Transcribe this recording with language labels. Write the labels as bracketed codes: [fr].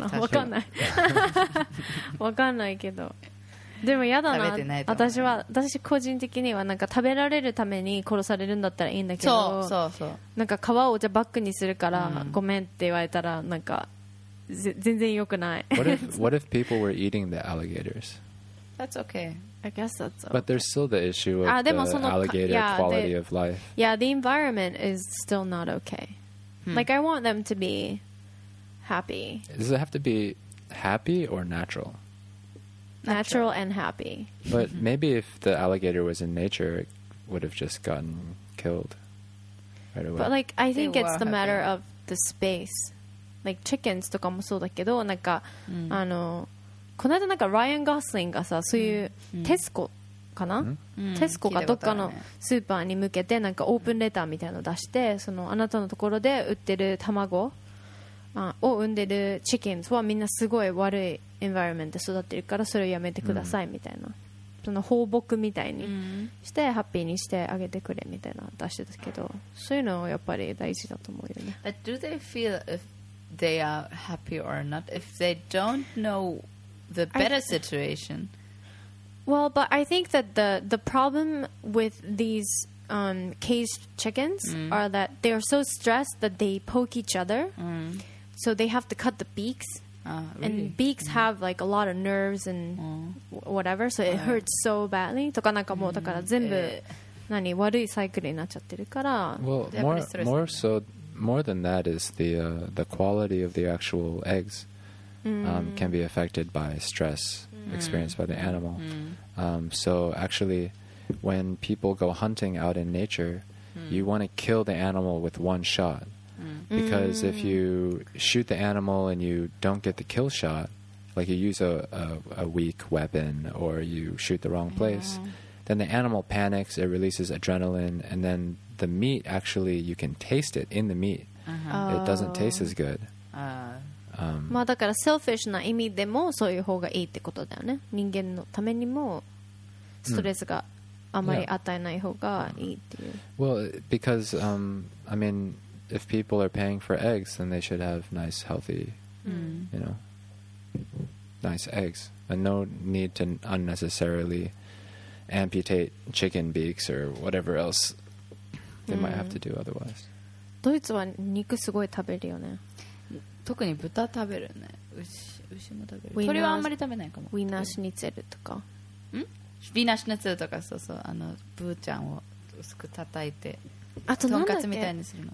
[ja] かな、わかんないわかんないけど、でもやだ な, 食べてないと思う。私個人的にはなんか食べられるために殺されるんだったらいいんだけど、そうそうそう、なんか皮をじゃバッグにするから、うん、ごめんって言われたらなんか全然良くない。 [en] What if people were eating the alligators? That's okay. I guess that's okay. But there's still the issue of the alligator quality of life. Yeah, the environment is still not okay. Like I want them to be happy. Does it have to be happy or natural? Natural and happy. But maybe if the alligator was in nature, it would have just gotten killed right away. But like, I think it's the matter of the space. Like chickens [ja] とかもそうだけど、なんか、あの、この間なんかライアン・ゴスリングがさ、そういうテスコかな？テスコがどっかのスーパーに向けてなんかオープンレターみたいなの出して、そのあなたのところで売ってる卵を産んでるチキンはみんなすごい悪いエンバイロメントで育ってるからそれをやめてくださいみたいな、その放牧みたいにしてハッピーにしてあげてくれみたいな出してたけど、そういうのはやっぱり大事だと思うよね。 [en] But do they feel if they are happy or not if they don't know the better situation? Well, but I think that the problem with theseCaged chickens are that they are so stressed that they poke each other. So they have to cut the beaks. Really? And beaks have like a lot of nerves and whatever. So it hurts so badly. [ja] とかなんかもうだから全部何悪いサイクルになっちゃってるから。 [en] Well, more than that is the quality of the actual eggs can be affected by stress experienced by the animal. So actually... When people go hunting out in nature, you want to kill the animal with one shot. Because if you shoot the animal and you don't get the kill shot, like you use a weak weapon or you shoot the wrong place, then the animal panics, it releases adrenaline, and then the meat, actually, you can taste it in the meat. Uh-huh. It doesn't taste as good. [ja] まあだから selfish な意味でもそういう方がいいってことだよね。人間のためにもストレスがあまり与えない方がいいっていう。 [en] Well, because, I mean, if people are paying for eggs, then they should have nice, healthy, you know, nice eggs. And no need to unnecessarily amputate chicken beaks or whatever else they might have to do otherwise. [ja] ドイツは肉すごい食べるよね。特に豚食べるね。牛も食べる。鳥はあんまり食べないかも。ウィナーシュニツェルとか。ん？ウィナーシュニツェルとか、そうそう、あのブーちゃんを薄く叩いて、あとトンカツみたいにするの。